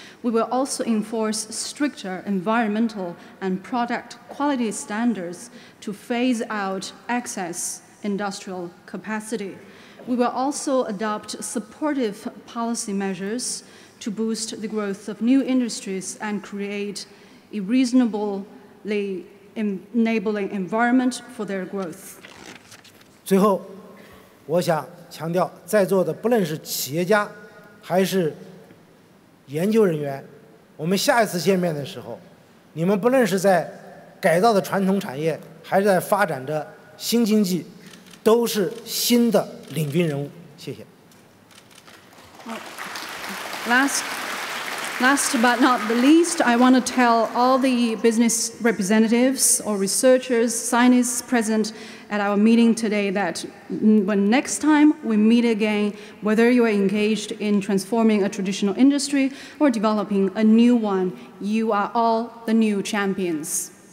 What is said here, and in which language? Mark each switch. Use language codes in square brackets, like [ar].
[en] We will also enforce stricter environmental and product quality standards to phase out excess industrial capacity. We will also adopt supportive policy measures to boost the growth of new industries and create a reasonably enabling environment for their growth. [zh] 最后，我想强调，在座的不论是企业家还是研究人员，我们下一次见面的时候，你们不论是在改造的传统产业，还是在发展的新经济，都是新的领军人物。谢谢。 [en] Last but not the least, I want to tell all the business representatives or researchers, scientists present at our meeting today that when next time we meet again, whether you are engaged in transforming a traditional industry or developing a new one, you are all the new champions.